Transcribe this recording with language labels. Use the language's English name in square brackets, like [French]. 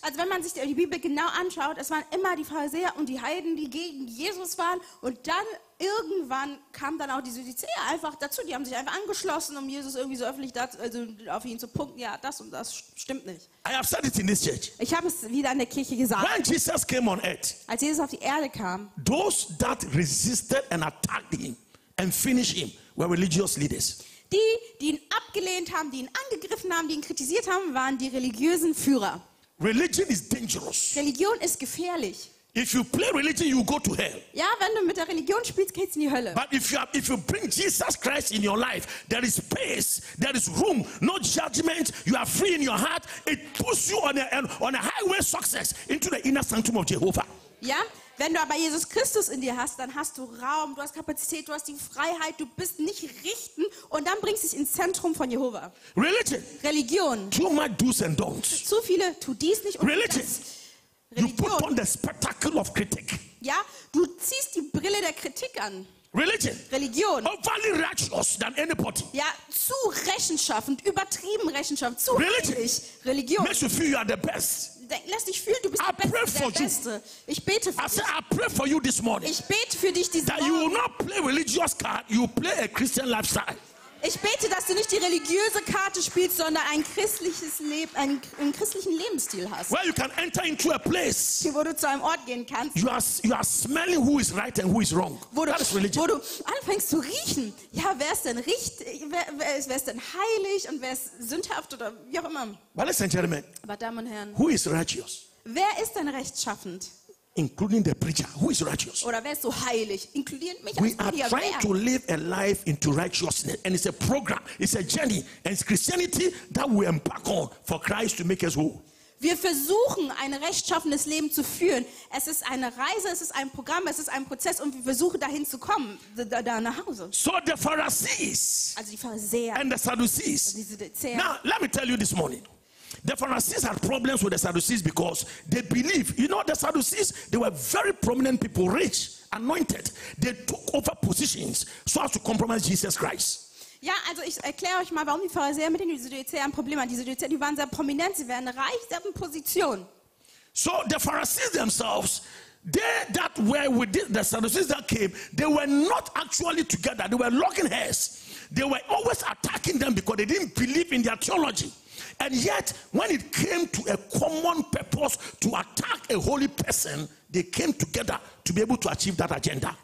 [German] Also wenn man sich die Bibel genau anschaut, es waren immer die Pharisäer und die Heiden, die gegen Jesus waren. Und dann irgendwann kamen dann auch die Sadduzäer einfach dazu. Die haben sich einfach angeschlossen, um Jesus irgendwie so öffentlich dazu, also auf ihn zu punkten. Ja, das und das stimmt nicht. [English] I have said it in this church. [German] Ich habe es wieder in der Kirche gesagt. [English] When Jesus came on earth, [German] als Jesus auf die Erde kam, [English] those that resisted and attacked him and finished him were religious leaders. [German] Die, die ihn abgelehnt haben, die ihn angegriffen haben, die ihn kritisiert haben, waren die religiösen Führer. [English] Religion is dangerous. [German] Religion ist gefährlich. [English] If you play religion, you go to hell. [German] Ja, wenn du mit der Religion spielst, geht's in die Hölle. [English] But if you bring Jesus Christ in your life, there is space, there is room, no judgment, you are free in your heart, it puts you on a highway success into the inner sanctum of Jehovah. [German] Ja, wenn du aber Jesus Christus in dir hast, dann hast du Raum, du hast Kapazität, du hast die Freiheit, du bist nicht richten und dann bringst du dich ins Zentrum von Jehova. [English] Religion. [German] Religion. [English] Too much do's and don'ts. [German] Zu viele tu dies nicht und [English] religion. [German] Das. [English] Religion. You put on the spectacle of critic. [German] Ja, du ziehst die Brille der Kritik an. [English] Religion. [German] Religion. [English] Overly righteous than anybody. [German] Ja, zu rechenschaftend, übertrieben rechenschaftend, zu heilig. Religion. [English] Makes you feel you are the best. [German] lass dich fühlen, du bist der Beste, der Beste. Ich bete für dich. [English] I said, I pray for you this morning. [German] Ich bete für dich diesen [English] that [German] Morgen. [English] You will not play religious card, you play a Christian lifestyle. [German] Ich bete, dass du nicht die religiöse Karte spielst, sondern ein christliches einen christlichen Lebensstil hast. [English] Where you can enter into a place. [German] Hier, wo du zu einem Ort gehen kannst. [English] You are smelling who is right and who is wrong. That is religion. [German] Wo du anfängst zu riechen. Ja, wer ist denn richtig? Wer ist denn heilig und wer ist sündhaft oder wie auch immer? [English] But listen, gentlemen. [German] Aber Damen und Herren. [English] Who is righteous? [German] Wer ist denn rechtschaffend? [English] Including the preacher, who is righteous. [German] Oder wer ist so heilig? Inkludiert mich als [English] we [German] Prediger. [English] Are trying [German] wer? [English] To live a life into righteousness, and it's a program, it's a journey, and it's Christianity that we embark on for Christ to make us whole. [German] Wir versuchen, ein rechtschaffenes Leben zu führen. Es ist eine Reise, es ist ein Programm, es ist ein Prozess, und wir versuchen, dahin zu kommen, da nach Hause. [English] So the Pharisees, [German] also die Pharisäer, [English] and the Sadducees. Now, let me tell you this morning. The Pharisees had problems with the Sadducees because they believe. You know, the Sadducees, they were very prominent people, rich, anointed. They took over positions so as to compromise Jesus Christ. [German] Ja, also ich erkläre euch mal, warum die Pharisäer mit den Sadduzäern ein Problem hatten. Die Sadduzäer, die waren sehr prominent, sie waren reich, sie hatten Position. [English] So the Pharisees themselves, they that were with the Sadducees that came, they were not actually together. They were locking hairs. They were always attacking them because they didn't believe in their theology. And yet, when it came to a common purpose to attack a holy person, they came together to be able to achieve that agenda.